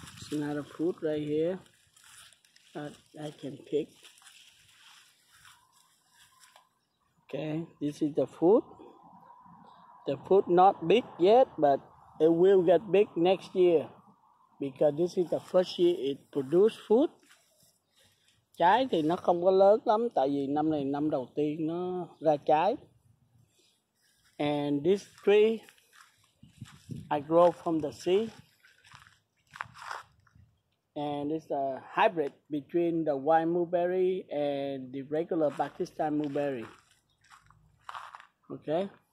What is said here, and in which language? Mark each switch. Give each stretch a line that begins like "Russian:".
English: Another fruit right here that I can pick. Okay, this is the fruit. The fruit not big yet, but it will get big next year because this is the first year it produced fruit.
Vietnamese: Trái thì nó không có lớn lắm tại vì năm này năm đầu tiên nó ra trái.
English: And this tree I grow from the sea. And it's a hybrid between the white mulberry and the regular Pakistan mulberry. Okay.